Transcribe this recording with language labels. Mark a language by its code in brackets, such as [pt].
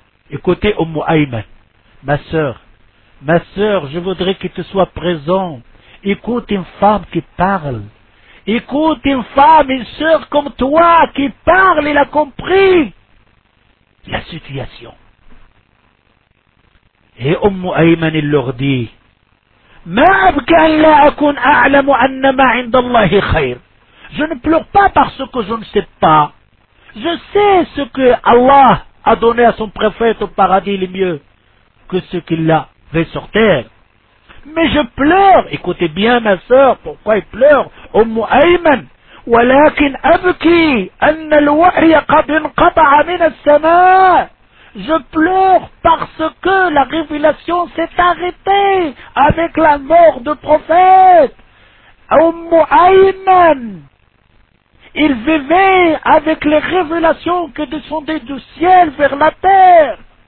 [fr] Écoutez, Umm Ayman, ma sœur, je voudrais que tu sois présent. Écoute une femme qui parle. Écoute une femme, une sœur comme toi qui parle, il a compris la situation. Et Umm Ayman, il leur dit, [ar] ما أبكى أن لا أكون أعلم أن ما عند الله خير. [fr] Je ne pleure pas parce que je ne sais pas. Je sais ce que Allah a donné à son prophète au paradis, le mieux que ce qu'il avait sur terre. Mais je pleure. Écoutez bien, ma sœur, pourquoi il pleure, Umm Ayman. [ar] ولكن أبكي أن الوحي قد انقطع من السماء. [fr] Je pleure parce que la révélation s'est arrêtée avec la mort du prophète. Umm Ayman, il vivait avec les révélations qui descendaient du ciel vers la terre.